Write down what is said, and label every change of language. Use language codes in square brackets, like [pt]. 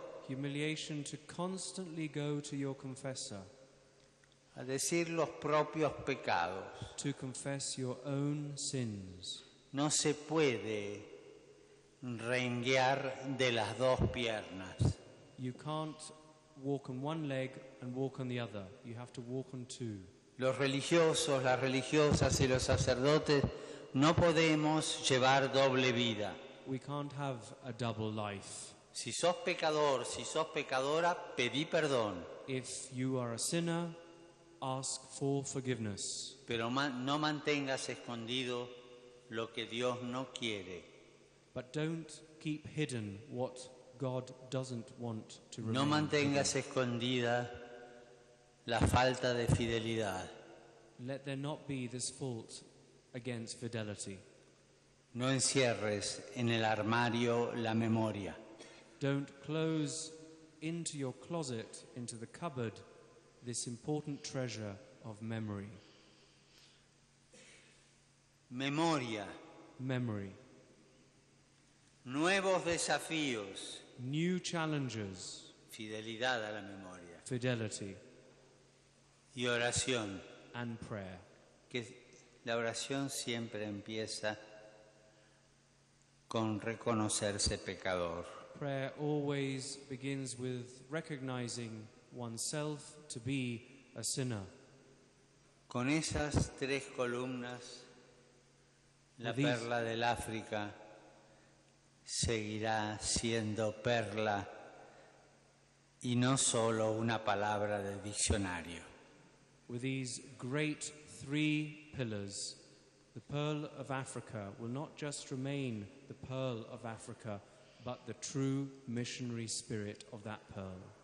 [en] Humiliation to constantly go to your confessor. [es] A decir los propios pecados. [en] To confess your own sins. [es] No se puede renguear de las dos piernas. [en] You can't walk on one leg and walk on the other. You have to walk on two. [es] Los religiosos, las religiosas y los sacerdotes no podemos llevar doble vida. [en] We can't have a double life. [es] Si sos pecador, si sos pecadora, pedí perdón. [en] If you are a sinner, ask for forgiveness. [es] Pero no mantengas escondido lo que Dios no quiere. [en] But don't keep hidden what God doesn't want to remain. [es] No mantengas escondida la falta de fidelidad. [en] Let there not be this fault against fidelity. [es] No encierres en el armario la memoria. [en] Don't close into your closet, into the cupboard, this important treasure of memory. [es] Memoria. [en] Memory. [es] Nuevos desafíos. [en] New challenges. [es] Fidelidad a la memoria. [en] Fidelity. [es] Y oración. [en] And prayer. [es] Que la oración siempre empieza con reconocerse pecador. [en] Prayer always begins with recognizing oneself to be a sinner. [es] Con esas tres columnas, la perla del África seguirá siendo perla y no solo una palabra de diccionario. [en] With these great three pillars, the pearl of Africa will not just remain the pearl of Africa, but the true missionary spirit of that pearl.